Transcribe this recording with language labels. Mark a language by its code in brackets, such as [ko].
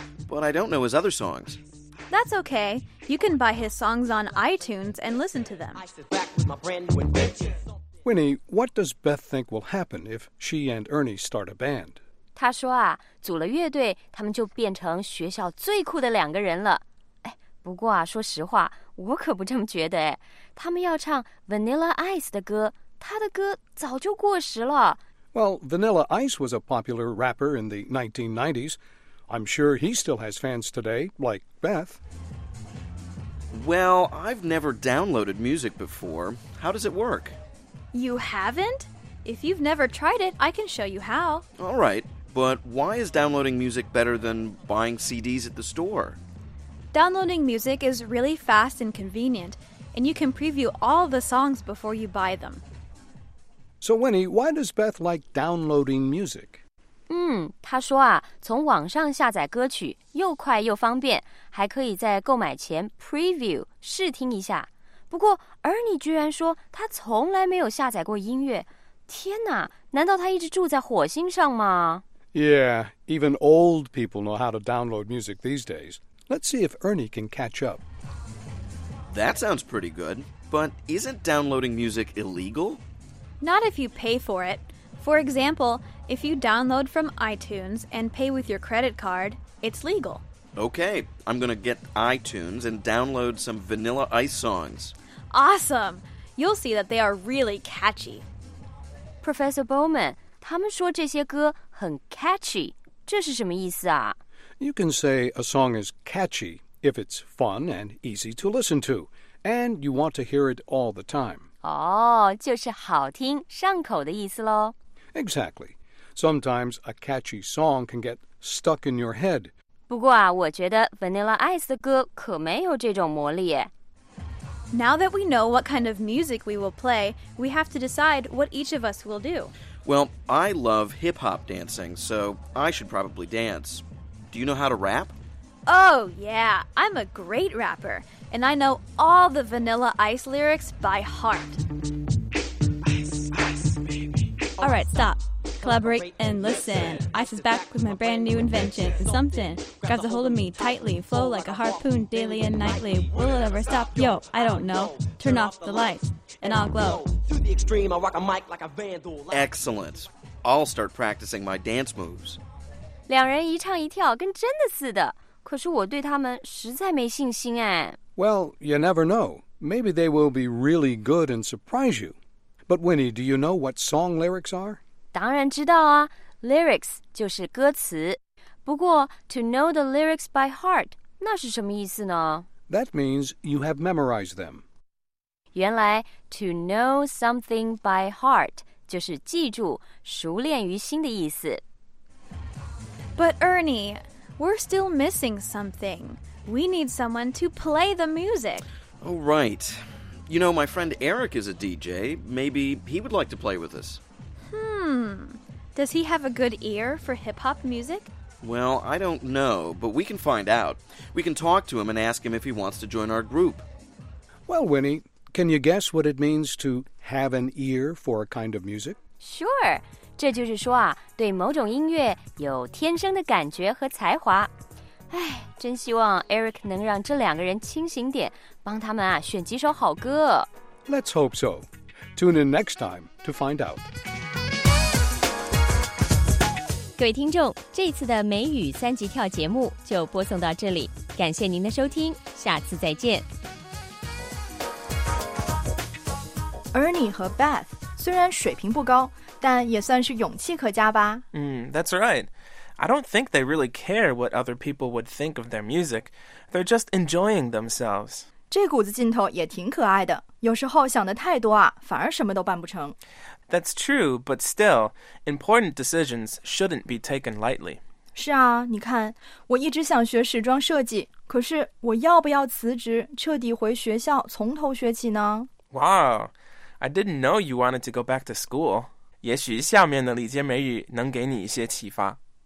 [en] But I don't know his other songs. That's okay. You can buy his songs on iTunes and listen to them. Winnie, what does Beth think will happen if she and Ernie start a band? [zh] 她说啊，组了乐队，他们就变成学校最酷的两个人了。哎，不过啊，说实话，我可不这么觉得哎。他们要唱 Vanilla Ice 的歌，他的歌早就过时了。 [en] Well, Vanilla Ice was a popular rapper in the 1990s. I'm sure he still has fans today, like Beth. Well, I've never downloaded music before. How does it work? You haven't? If you've never tried it, I can show you how. All right, but why is downloading music better than buying CDs at the store? Downloading music is really fast and convenient, and you can preview all the songs before you buy them. So Winnie, why does Beth like downloading music? [zh] 他说啊，从网上下载歌曲又快又方便，还可以在购买前 preview 试听一下。不过 Ernie 居然说他从来没有下载过音乐，天哪，难道他一直住在火星上吗？ [en] Yeah, even old people know how to download music these days. Let's see if Ernie can catch up. That sounds pretty good, but isn't downloading music illegal? Not if you pay for it. For example, if you download from iTunes and pay with your credit card, it's legal. Okay, I'm going to get iTunes and download some Vanilla Ice songs. Awesome! You'll see that they are really catchy. [zh] Professor Bowman, 他们说这些歌很 catchy, 这是什么意思啊? [en] You can say a song is catchy if it's fun and easy to listen to, and you want to hear it all the time. [zh] 就是好听上口的意思咯。 [en] Exactly. Sometimes a catchy song can get stuck in your head. [zh] 不过啊，我觉得 Vanilla Ice 的歌可没有这种魔力。 [en] Now that we know what kind of music we will play, we have to decide what each of us will do. Well, I love hip-hop dancing, so I should probably dance. Do you know how to rap? Oh, yeah. I'm a great rapper, and I know all the Vanilla Ice lyrics by heart. All right, stop. Collaborate and listen. Ice is back with my brand new invention. It's something. Grabs a hold of me tightly. Flow like a harpoon daily and nightly. Will it ever stop? Yo, I don't know. Turn off the lights and I'll glow. Through the extreme, I rock a mic like a vandal. Excellent. I'll start practicing my dance moves. [zh] 两人一唱一跳跟真的似的。可是我对他们实在没信心哎。 [en] Well, you never know. Maybe they will be really good and surprise you. But Winnie, do you know what song lyrics are? [zh] 当然知道啊 ,lyrics 就是歌词。不过 , [en] to know the lyrics by heart, [zh] 那是什么意思呢? [en] That means you have memorized them. [zh] 原来 , [en] to know something by heart, [zh] 就是记住,熟练于心的意思。 [en] But Ernie, we're still missing something. We need someone to play the music. Oh, right. You know, my friend Eric is a DJ. Maybe he would like to play with us. Hmm. Does he have a good ear for hip-hop music? Well, I don't know, but we can find out. We can talk to him and ask him if he wants to join our group. Well, Winnie, can you guess what it means to have an ear for a kind of music? Sure. [zh] 这就是说啊，对某种音乐有天生的感觉和才华。唉，真希望 Eric 能让这两个人清醒点，帮他们啊选几首好歌。 [en] Let's hope so. Tune in next time to find out. [zh] 各位听众，这次的美语三级跳节目就播送到这里，感谢您的收听，下次再见。 Ernie 和 Beth 虽然水平不高，但也算是勇气可嘉吧。 [en] That's right. I don't think they really care what other people would think of their music. They're just enjoying themselves. [zh] 这股子劲头也挺可爱的。有时候想得太多啊，反而什么都办不成。 [en] That's true, but still, important decisions shouldn't be taken lightly. [zh] 是啊，你看，我一直想学时装设计，可是我要不要辞职，彻底回学校，从头学起呢？ [en] Wow, I didn't know you wanted to go back to school. [zh] 也许下面的理解美语能给你一些启发。